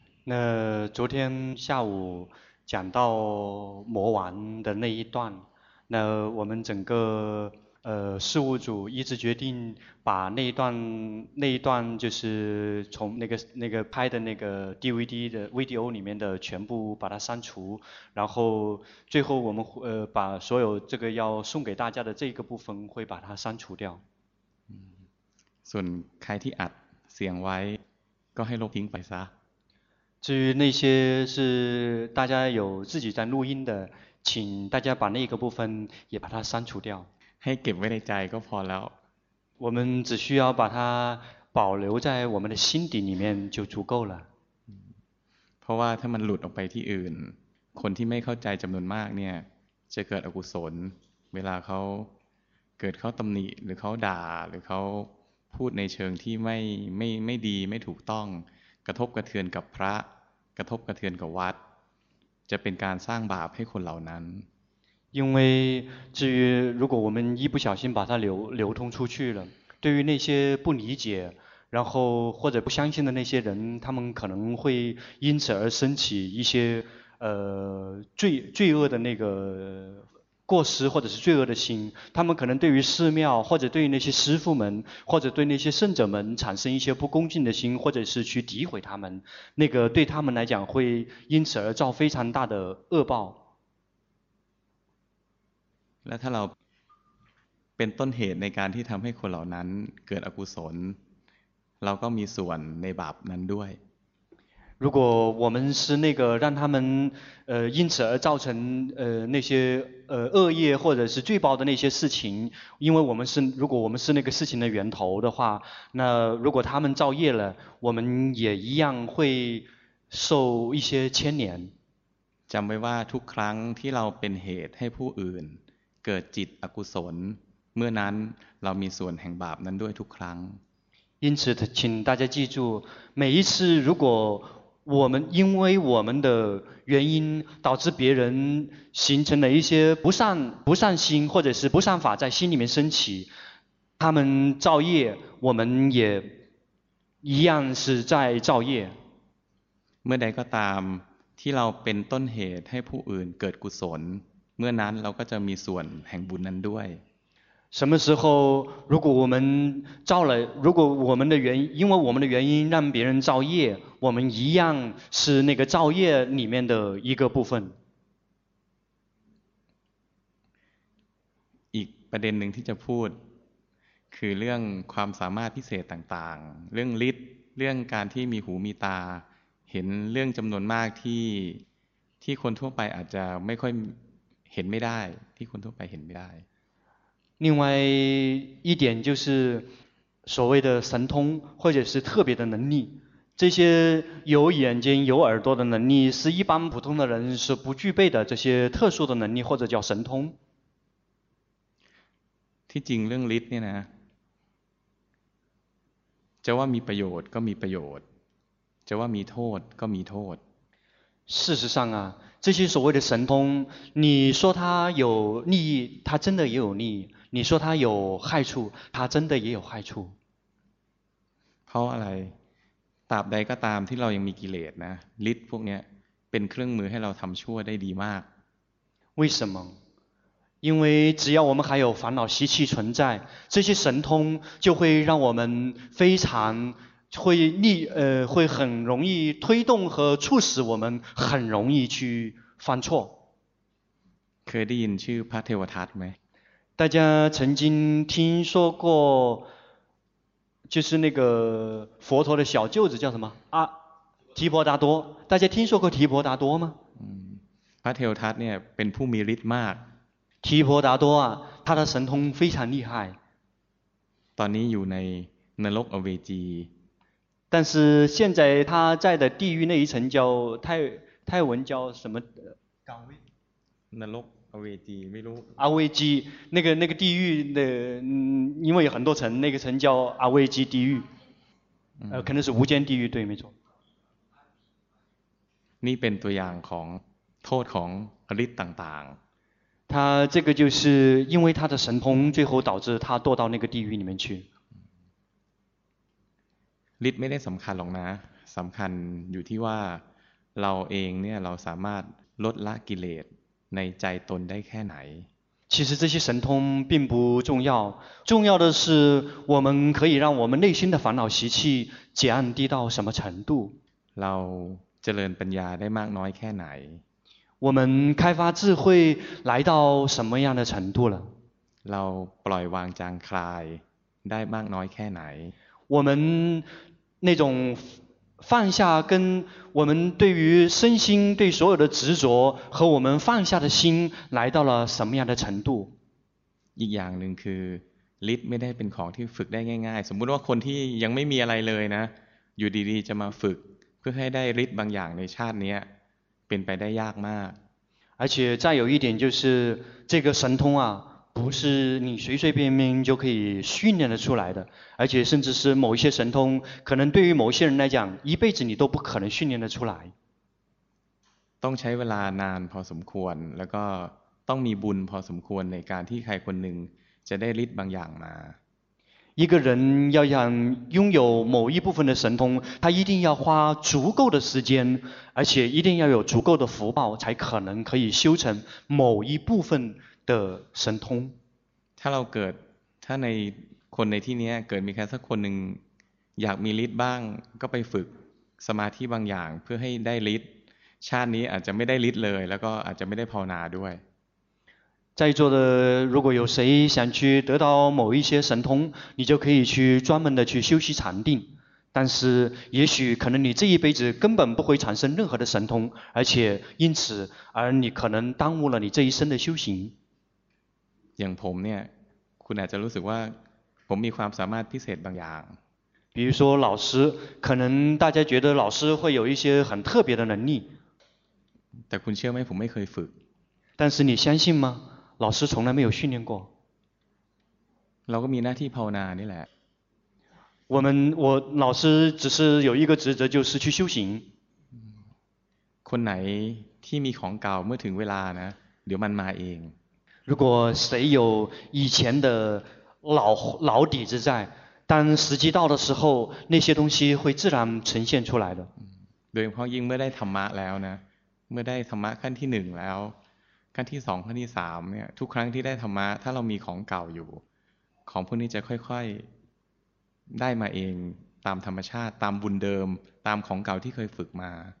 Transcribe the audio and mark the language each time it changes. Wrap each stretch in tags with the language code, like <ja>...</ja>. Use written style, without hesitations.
<zh>那昨天下午讲到魔王的那一段，那我们整个事务组一直决定把那一段就是从那个拍的那个 DVD 的 VDO 里面的全部把它删除，然后最后我们把所有这个要送给大家的这个部分会把它删除掉。</zh> <th>ส่วนใครที่อัดเสียงไว้ก็ให้ลบทิ้งไปซะ</th> <zh>至于那些是大家有自己在录音的，请大家把那个部分也把它删除掉。</zh> <th>ให้เก็บไว้ในใจก็พอแล้ว。</th> <zh>我们只需要把它保留在我们的心底里面就足够了。</zh> <th>เพราะว่าถ้ามันหลุดออกไปที่อื่น，คนที่ไม่เข้าใจจำนวนมากเนี่ย，จะเกิดอกุศล。 เวลาเขาเกิดเขาตำหนิหรือเขาด่าหรือเขาพูดในเชิงที่ไม่ดีไม่ถูกต้องกระทบกระเทือนกับพระกระทบกระเทือนกับวัดจะเป็นการสร้างบาปให้คนเหล่านั้น</th> <zh>因为至于如果我们一不小心把它流通出去了对于那些不理解然后或者不相信的那些人他们可能会因此而升起一些罪恶的那个过失或者是罪恶的心他们可能对于寺庙或者对于那些师父们或者对那些圣者们产生一些不恭敬的心或者是去诋毁他们那个对他们来讲会因此而造非常大的恶报</zh> <th>และถ้าเราเป็นต้นเหตุในการที่ทำให้คนเหล่านั้นเกิดอกุศลเราก็มีส่วนในบาปนั้นด้วย</th> <zh>如果我们是那个让他们因此而造成那些恶业或者是罪报的那些事情因为我们是如果我们是那个事情的源头的话那如果他们造业了我们也一样会受一些牵连</zh> <th>จำไว้ว่าทุกครั้งที่เราเป็นเหตุให้ผู้อื่นเกิดจิตอกุศลเมื่อนั้นเรามีส่วนแห่งบาปนั้นด้วยทุกครั้ง</th> <zh>因此请大家记住每一次如果我们因为我们的原因导致别人形成了一些不善心或者是不善法在心里面升起他们造业我们也一样是在造业</zh> <th>เมื่อใดก็ตามที่เราเป็นต้นเหตุให้ผู้อื่นเกิดกุศลเมื่อนั้นเราก็จะมีส่วนแห่งบุญนั้นด้วย</th> <zh>什么时候如果我们造了如果我们的原因因为我们的原因让别人造业我们一样是那个造业里面的一个部分</zh> <th>อีกประเด็นหนึ่งที่จะพูดคือเรื่องความสามารถพิเศษต่างๆเรื่องฤทธิ์เรื่องการที่มีหูมีตาเห็นเรื่องจำนวนมากที่คนทั่วไปอาจจะไม่ค่อยเห็นไม่ได้ที่คนทั่วไปเห็นไม่ได้</th> <zh>另外一点就是所谓的神通或者是特别的能力这些有眼睛有耳朵的能力是一般普通的人是不具备的这些特殊的能力或者叫神通</zh> <th>ที่จริงเรื่องฤทธิ์เนี่ยนะจะว่ามีประโยชน์ก็มีประโยชน์จะว่ามีโทษก็มีโทษ</th> <zh>事实上啊这些所谓的神通你说它有利益它真的也有利益你说它有害处它真的也有害处</zh> <th>เพราะอะไรตราบใดก็ตามที่เรายังมีกิเลสนะฤทธิ์พวกนี้เป็นเครื่องมือให้เราทำชั่วได้ดีมาก</th> <zh>为什么因为只要我们还有烦恼习气存在这些神通就会让我们非常会很容易推动和促使我们很容易去犯错</zh> <th>เคยได้ยินชื่อพระเทวทัตไหม</th> <zh>大家曾经听说过就是那个佛陀的小舅子叫什么阿提婆达多，大家听说过提婆达多吗？</zh> <th>พระเทวทัตเนี่ยเป็นผู้มีฤทธิ์มาก</th> <zh>提婆达多啊，他的神通非常厉害。</zh> <th>ตอนนี้อยู่ในนรกอเวจี</th> <zh>但是现在他在的地狱那一层叫泰文叫什么？岗位？</zh> <th>นรกอเวจีไม่รู้</th> <zh>อเวจี那个地狱的，因为有很多层，那个层叫阿维基地狱。可能是无间地狱，对，没错。</zh> <th>นี่เป็นตัวอย่างของโทษของฤทธิ์ต่าง</th> <zh>ๆ他这个就是因为他的神通，最后导致他堕到那个地狱里面去。</zh> <th>ฤทธิ์ไม่ได้สำคัญหรอกนะสำคัญอยู่ที่ว่าเราเองเนี่ยเราสามารถลดละกิเลสในใจตนได้แค่ไหน</th> <zh>其实这些神通并不重要，重要的是我们可以让我们内心的烦恼习气降低到什么程度。</zh> <th>เราเจริญปัญญาได้มากน้อยแค่ไหน</th> <zh>我们开发智慧来到什么样的程度了？</zh> <th>เราปล่อยวางจางคลายได้มากน้อยแค่ไหน</th> <zh>我们那种放下跟我们对于身心对所有的执着和我们放下的心来到了什么样的程度？</zh> <th>อีกอย่างหนึ่งคือฤทธิ์ไม่ได้เป็นของที่ฝึกได้ง่ายๆสมมุติว่าคนที่ยังไม่มีอะไรเลยนะอยู่ดีๆจะมาฝึกเพื่อให้ได้ฤทธิ์บางอย่างในชาตินี้เป็นไปได้ยากมาก</th> <zh>而且再有一点就是这个神通啊不是你随随便便就可以训练得出来的而且甚至是某一些神通可能对于某些人来讲一辈子你都不可能训练得出来</zh> <th>ต้องใช้เวลานานพอสมควรแล้วก็ต้องมีบุญพอสมควรในการที่ใครคนหนึ่งจะได้ฤทธิ์บางอย่างมา</th> <zh>一个人要想拥有某一部分的神通，他一定要花足够的时间，而且一定要有足够的福报，才可能可以修成某一部分的神通。</zh> <th>ถ้าเราเกิดถ้าในคนในที่นี้เกิดมีใครสักคนหนึ่งอยากมีฤทธิ์บ้างก็ไปฝึกสมาธิบางอย่างเพื่อให้ได้ฤทธิ์ชาตินี้อาจจะไม่ได้ฤทธิ์เลยแล้วก็อาจจะไม่ได้ภาวนาด้วย</th> <zh>在座的如果有谁想去得到某一些神通你就可以去专门的去修习禅定但是也许可能你这一辈子根本不会产生任何的神通而且因此而你可能耽误了你这一生的修行</zh> <th>อย่างผมเนี่ยคุณอาจจะรู้สึกว่าผมมีความสามารถพิเศษบางอย่าง</th> <zh>比如说老师可能大家觉得老师会有一些很特别的能力</zh> <th>แต่คุณเชื่อไหมผมไม่เคยฝึก</th> <zh>但是你相信吗老师从来没有训练过</zh> <th>เราก็มีหน้าที่ภาวนานี่แหละ</th> <zh>我老师只是有一个职责就是去修行</zh> <th>คนไหนที่มีของเก่าเมื่อถึงเวลานะเดี๋ยวมันมาเอง</th> <zh>如果谁有以前的老底子在当时机到的时候那些东西会自然呈现出来的</zh> <th>โดยเฉพาะยิ่งเมื่อได้ธรรมะแล้วนะเมื่อได้ธรรมะขั้นที่หนึ่งแล้วขั้นที่สองขั้นที่สามเนี่ยทุกครั้งที่ได้ธรรมะถ้าเรามีของเก่าอยู่ของพวกนี้จะค่อยๆได้มาเองตามธรรมชาติตามบุญเดิมตามของเก่าที่เคยฝึกมา</th>